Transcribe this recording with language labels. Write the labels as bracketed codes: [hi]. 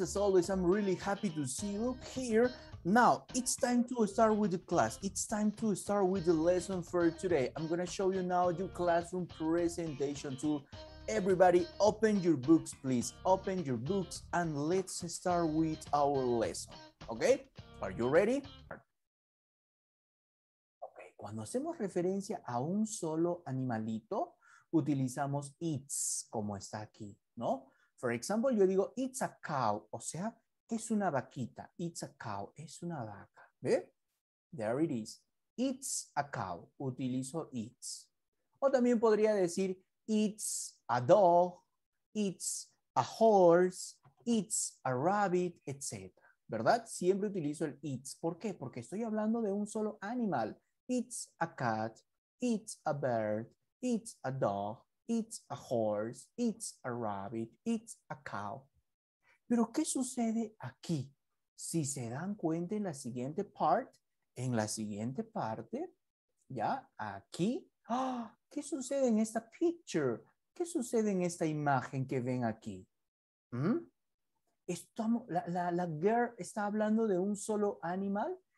[en] As always, I'm really happy to see you here. Now, it's time to start with the class. It's time to start with the lesson for today. I'm going to show you now your classroom presentation tool. Everybody, open your books, please. Open your books and let's start with our lesson. Okay? Are you ready? Okay. [es] Cuando hacemos referencia a un solo animalito, utilizamos [en] its, [es] como está aquí, ¿no? [en] For example, [es] yo digo, [en] it's a cow, [es] o sea, es una vaquita, it's a cow, es una vaca, ¿ve? [en] There it is, it's a cow, utilizo it's. [es] O también podría decir, [en] it's a dog, it's a horse, it's a rabbit, [es] etc. ¿Verdad? Siempre utilizo el it's, ¿por qué? Porque estoy hablando de un solo animal, [en] it's a cat, it's a bird, it's a dog, it's a horse, it's a rabbit, it's a cow. [es] ¿Pero qué sucede aquí? Si se dan cuenta en la siguiente part, en la siguiente parte, ¿ya? Aquí. ¡Oh! ¿Qué sucede en esta picture? ¿Qué sucede en esta imagen que ven aquí? ¿Mm? Estamos, la girl está hablando de un solo animal.